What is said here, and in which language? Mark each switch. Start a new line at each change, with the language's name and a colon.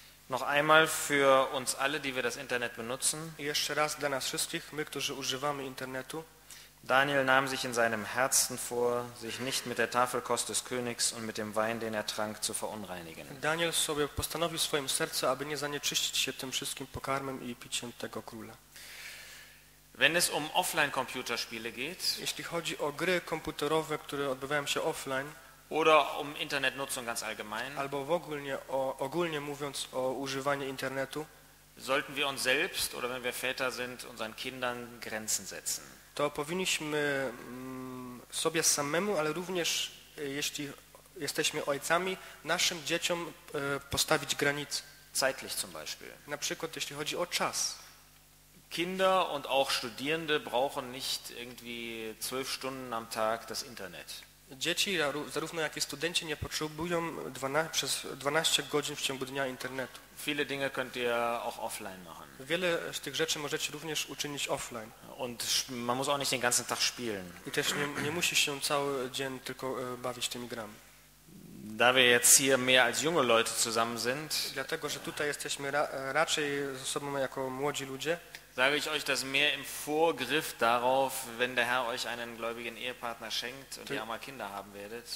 German: Noch einmal für uns alle, die wir das Internet benutzen.
Polish: I jeszcze raz dla nas wszystkich, my, którzy używamy internetu.
German: Daniel nahm sich in seinem Herzen vor, sich nicht mit der Tafelkost des Königs und mit dem Wein, den er trank, zu verunreinigen.
Polish: Daniel sobie postanowił w swoim sercu, aby nie zanieczyścić się tym wszystkim pokarmem i piciem tego króla.
German: Wenn es um Offline-Computerspiele geht,
Polish: jeśli chodzi o gry komputerowe, które odbywają się offline,
German: oder um Internetnutzung ganz allgemein,
Polish: albo w ogólnie, ogólnie mówiąc o używanie internetu,
German: sollten wir uns selbst, oder wenn wir Väter sind, unseren Kindern Grenzen setzen.
Polish: To powinniśmy sobie samemu, ale również jeśli jesteśmy ojcami, naszym dzieciom postawić granice.
German: Zeitlich zum Beispiel.
Polish: Na przykład jeśli chodzi o czas.
German: Kinder und auch Studierende brauchen nicht irgendwie 12 Stunden am Tag das Internet.
Polish: Dzieci, zarówno jak i studenci, nie potrzebują przez 12 godzin w ciągu dnia internetu.
German: Viele Dinge könnt ihr auch offline machen.
Polish: Wiele z tych rzeczy możecie również uczynić offline.
German: Und man muss auch nicht den ganzen Tag spielen.
Polish: I też nie musi się cały dzień tylko bawić tymi grami.
German: Da wir jetzt hier mehr als junge Leute zusammen sind,
Polish: dlatego, że tutaj jesteśmy raczej ze sobą jako młodzi ludzie,
German: sage ich euch, dass mehr im Vorgriff darauf, wenn der Herr euch einen gläubigen Ehepartner schenkt und ihr einmal Kinder haben werdet.